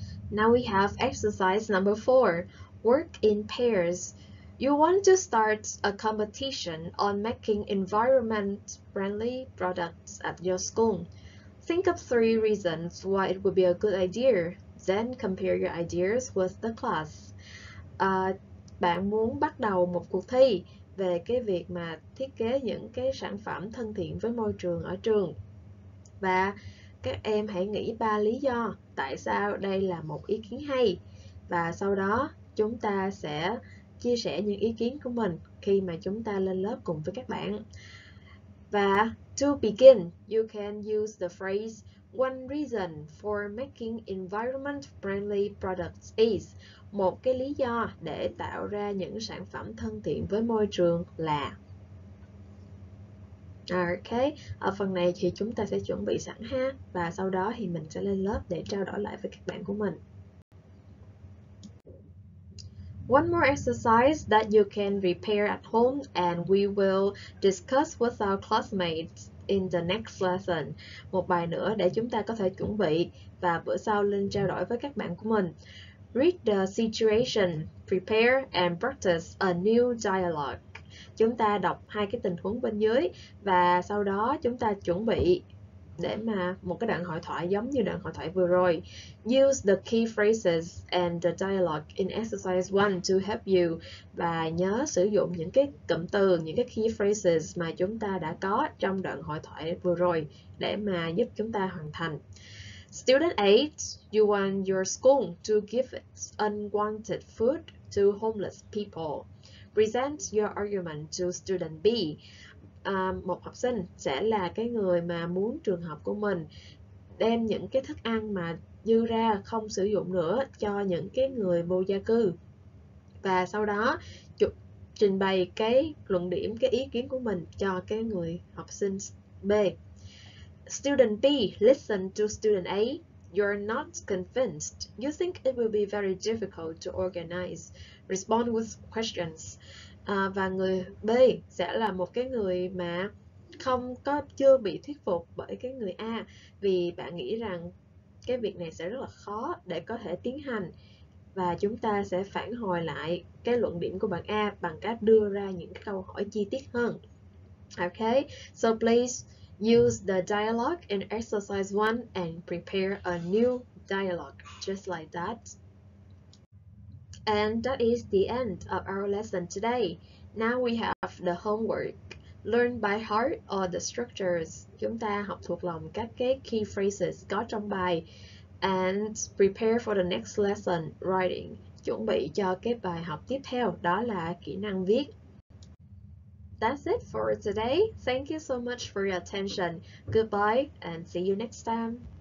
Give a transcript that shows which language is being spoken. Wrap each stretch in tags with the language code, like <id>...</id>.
<en>Now we have exercise number four, work in pairs. You want to start a competition on making environment-friendly products at your school. Think of three reasons why it would be a good idea, then compare your ideas with the class.</en> <vi>Bạn muốn bắt đầu một cuộc thi về cái việc mà thiết kế những cái sản phẩm thân thiện với môi trường ở trường. Và các em hãy nghĩ ba lý do tại sao đây là một ý kiến hay. Và sau đó chúng ta sẽ chia sẻ những ý kiến của mình khi mà chúng ta lên lớp cùng với các bạn.</vi> <en>Và to begin, you can use the phrase one reason for making environment-friendly products is.</en> <vi>Một cái lý do để tạo ra những sản phẩm thân thiện với môi trường là. Ok, ở phần này thì chúng ta sẽ chuẩn bị sẵn ha. Và sau đó thì mình sẽ lên lớp để trao đổi lại với các bạn của mình.</vi> <en>One more exercise that you can repair at home, and we will discuss with our classmates in the next lesson.</en> <vi>Một bài nữa để chúng ta có thể chuẩn bị và bữa sau lên trao đổi với các bạn của mình.</vi> <en>Read the situation, prepare and practice a new dialogue.</en> <vi>Chúng ta đọc hai cái tình huống bên dưới và sau đó chúng ta chuẩn bị để mà một cái đoạn hội thoại giống như đoạn hội thoại vừa rồi.</vi> <en>Use the key phrases and the dialogue in exercise 1 to help you.</en> <vi>Và nhớ sử dụng những cái cụm từ, những cái key phrases mà chúng ta đã có trong đoạn hội thoại vừa rồi để mà giúp chúng ta hoàn thành.</vi> <en>Student 8, you want your school to give its unwanted food to homeless people. Present your argument to student B.</en> <vi>Một học sinh sẽ là cái người mà muốn trường học của mình đem những cái thức ăn mà dư ra không sử dụng nữa cho những cái người vô gia cư. Và sau đó trình bày cái luận điểm, cái ý kiến của mình cho cái người học sinh B.</vi> <en>Student B, listen to student A. You're not convinced. You think it will be very difficult to organize. Respond with questions.</en> <vi>Và người B sẽ là một cái người mà không có chưa bị thuyết phục bởi cái người A, vì bạn nghĩ rằng cái việc này sẽ rất là khó để có thể tiến hành. Và chúng ta sẽ phản hồi lại cái luận điểm của bạn A bằng cách đưa ra những câu hỏi chi tiết hơn.</vi> <en>Okay, so please use the dialogue in exercise 1 and prepare a new dialogue just like that. And that is the end of our lesson today. Now we have the homework. Learn by heart all the structures.</en> <vi>Chúng ta học thuộc lòng các cái key phrases có trong bài.</vi> <en>And prepare for the next lesson, writing.</en> <vi>Chuẩn bị cho cái bài học tiếp theo, đó là kỹ năng viết.</vi> <en>That's it for today. Thank you so much for your attention. Goodbye and see you next time.</en>